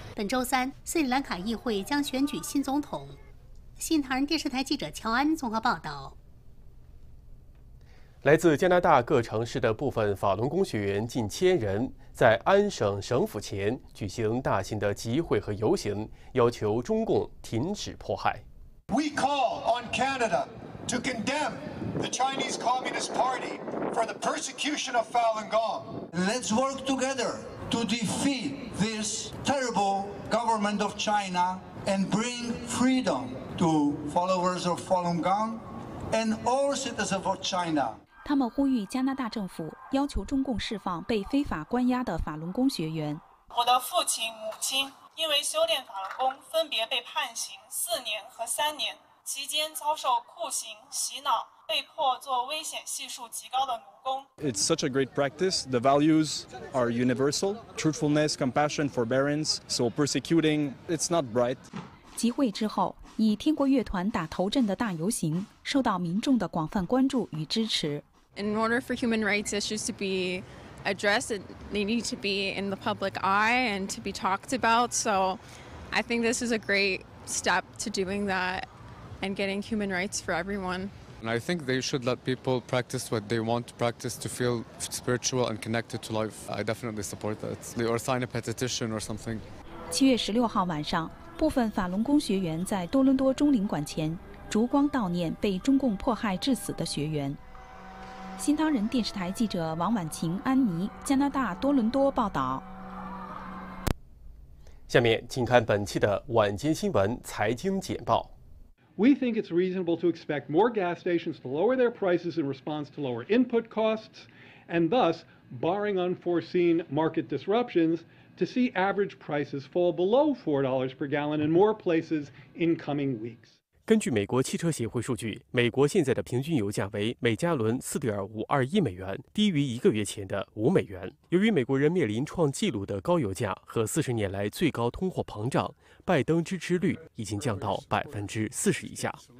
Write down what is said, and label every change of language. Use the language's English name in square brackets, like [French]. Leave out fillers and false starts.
[Chinese] 本周三，斯里兰卡议会将选举新总统。新唐人电视台记者乔安综合报道。来自加拿大各城市的部分法轮功学员近千人在安省省府前举行大型的集会和游行，要求中共停止迫害。 [English] We call on Canada to condemn the Chinese Communist Party for the persecution of Falun Gong. Let's work together to defeat this terrible government of China and bring freedom to followers of Falun Gong and all citizens of China. [Chinese] 他们呼吁加拿大政府要求中共释放被非法关押的法轮功学员。我的父亲、母亲因为修炼法轮功，分别被判刑4年和3年，期间遭受酷刑、洗脑，被迫做危险系数极高的奴工。 [English] It's such a great practice. The values are universal: truthfulness, compassion, forbearance. So persecuting, it's not right. [Chinese] 集会之后，以天国乐团打头阵的大游行受到民众的广泛关注与支持。 [English] In order for human rights issues to be addressed, they need to be in the public eye and to be talked about. So I think this is a great step to doing that and getting human rights for everyone. And I think they should let people practice what they want to practice to feel spiritual and connected to life. I definitely support that. Or sign a petition or something. [Chinese] 7月16号晚上，部分法轮功学员在多伦多中领馆前烛光悼念被中共迫害致死的学员。新唐人电视台记者王婉晴、安妮，加拿大多伦多报道。下面请看本期的晚间新闻财经简报。 [English] We think it's reasonable to expect more gas stations to lower their prices in response to lower input costs, and thus, barring unforeseen market disruptions, to see average prices fall below $4 per gallon in more places in coming weeks. [Chinese] 根据美国汽车协会数据，美国现在的平均油价为每加仑4.521美元，低于一个月前的5美元。由于美国人面临创纪录的高油价和40年来最高通货膨胀，拜登支持率已经降到40%以下。